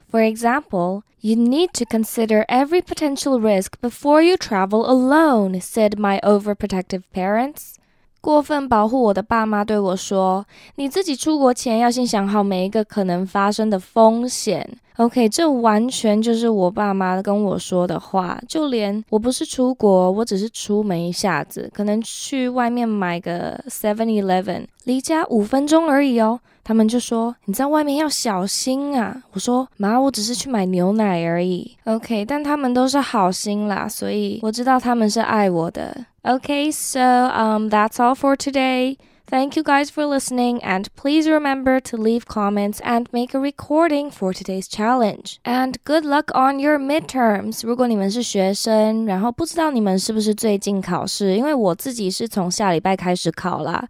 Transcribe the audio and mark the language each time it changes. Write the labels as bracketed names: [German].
[English] For example, you need to consider every potential risk before you travel alone, said my overprotective parents. [Chinese] 过分保护我的爸妈对我说，你自己出国前要先想好每一个可能发生的风险。 OK, 这完全就是我爸妈跟我说的话，就连我不是出国，我只是出门一下子，可能去外面买个 7-Eleven, 离家五分钟而已哦，他们就说你在外面要小心啊，我说妈，我只是去买牛奶而已。 OK, 但他们都是好心啦，所以我知道他们是爱我的。 [English] OK, so that's all for todayThank you guys for listening, and please remember to leave comments and make a recording for today's challenge. And good luck on your midterms! [Chinese] 如果你们是学生，然后不知道你们是不是最近考试，因为我自己是从下礼拜开始考啦。